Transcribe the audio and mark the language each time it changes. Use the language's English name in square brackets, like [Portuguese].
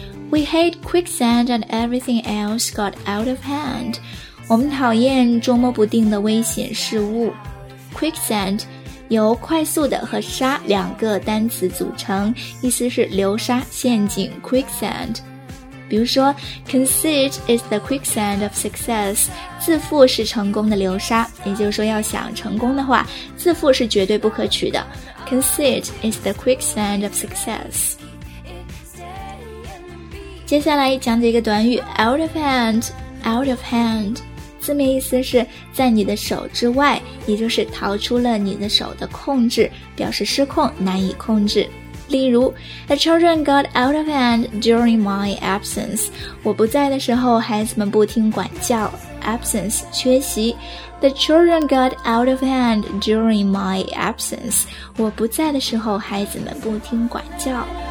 [English] We hate quicksand and everything else got out of hand. [Chinese] 我们讨厌捉摸不定的危险事物。 Quicksand. 由快速的和沙两个单词组成，意思是流沙、陷阱 quicksand。比如说 [English] conceit is the quicksand of success， [Chinese] 自负是成功的流沙，也就是说要想成功的话，自负是绝对不可取的。 [English] conceit is the quicksand of success。 [Chinese] 接下来讲解一个短语 out of hand。out of hand字面意思是在你的手之外，也就是逃出了你的手的控制，表示失控、难以控制。例如 [English] The children got out of hand during my absence. [Chinese] 我不在的时候，孩子们不听管教。 Absence 缺席。 [English] The children got out of hand during my absence. [Chinese] 我不在的时候，孩子们不听管教。